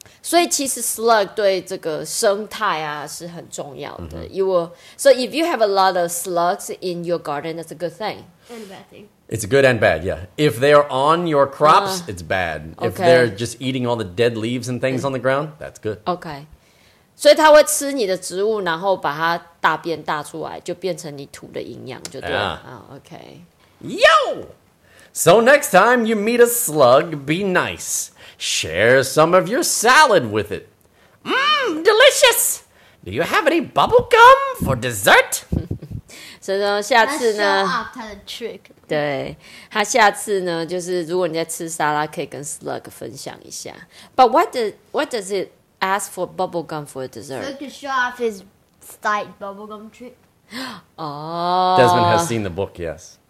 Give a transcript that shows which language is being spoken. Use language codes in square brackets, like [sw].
[zh] 所以其实 slug 对这个生态啊是很重要的。 [en] You will, so if you have a lot of slugs in your garden, that's a good thing. And a bad thing. It's good and bad. Yeah, if they are on your crops, it's bad. If they're just eating all the dead leaves and things on the ground, that's good. Okay. [zh] 所以它会吃你的植物，然后把它大便大出来，就变成你土的营养，就对了。 [en] OK. Yo! So next time you meet a slug, be nice. Share some of your salad with it. Mmm, delicious! Do you have any bubble gum for dessert? [zh] 所以呢，下次呢，他的 trick. 对，他下次呢，就是如果你在吃沙拉，可以跟 slug 分享一下。 [en] But what does it? Ask for bubble gum for a dessert. So he can show off his slight bubble gum trick. Oh. Desmond has seen the book, yes.